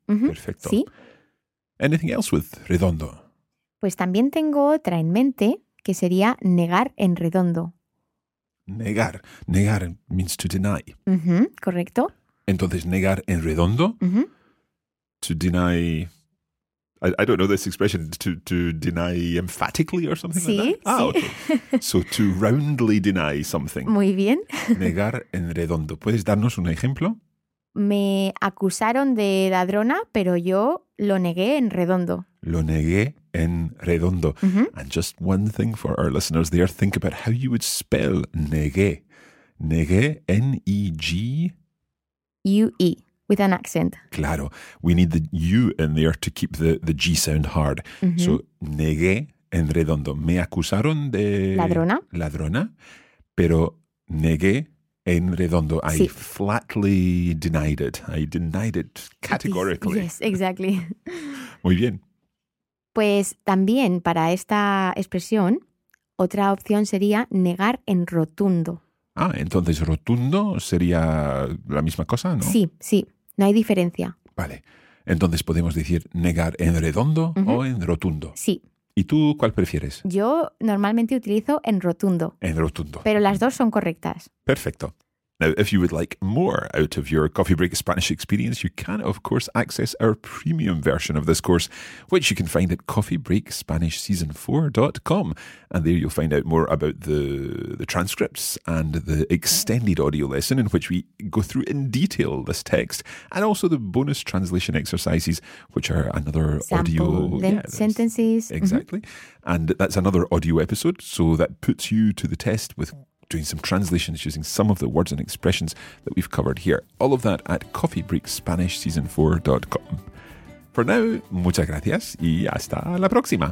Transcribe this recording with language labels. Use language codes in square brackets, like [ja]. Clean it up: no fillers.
[es] Mm-hmm. Perfecto. Sí. [en] Anything else with redondo? [es] Pues también tengo otra en mente, que sería negar en redondo. [en] Negar. Negar means to deny. [es] Uh-huh, correcto. Entonces, negar en redondo. Uh-huh. [en] To deny... I don't know this expression. To deny emphatically or something [es] sí, [en] like that? [es] Sí. [en] Ah, okay. So to roundly deny something. [es] Muy bien. Negar en redondo. ¿Puedes darnos un ejemplo? Me acusaron de ladrona, pero yo lo negué en redondo. Lo negué en redondo. Mm-hmm. [en] And just one thing for our listeners there, think about how you would spell negué. [es] Negué, N-E-G-U-E, [en] with an accent. [es] Claro. [en] We need the U in there to keep the G sound hard. Mm-hmm. [es] So, negué en redondo. Me acusaron de... Ladrona. Ladrona, pero negué... En redondo, sí. [en] I flatly denied it. I denied it categorically. Yes, exactly. [es] Muy bien. Pues también para esta expresión, otra opción sería negar en rotundo. Ah, entonces rotundo sería la misma cosa, ¿no? Sí, sí. No hay diferencia. Vale. Entonces podemos decir negar en redondo uh-huh. o en rotundo. Sí. ¿Y tú cuál prefieres? Yo normalmente utilizo en rotundo. En rotundo. Pero las dos son correctas. Perfecto. [en] Now, if you would like more out of your Coffee Break Spanish experience, you can, of course, access our premium version of this course, which you can find at coffeebreakspanishseason4.com. And there you'll find out more about the transcripts and the extended audio lesson in which we go through in detail this text, and also the bonus translation exercises, which are another sample audio... sentences. Exactly. Mm-hmm. And that's another audio episode, so that puts you to the test with... doing some translations using some of the words and expressions that we've covered here. All of that at coffeebreakspanishseason4.com. For now, [es] muchas gracias y hasta la próxima.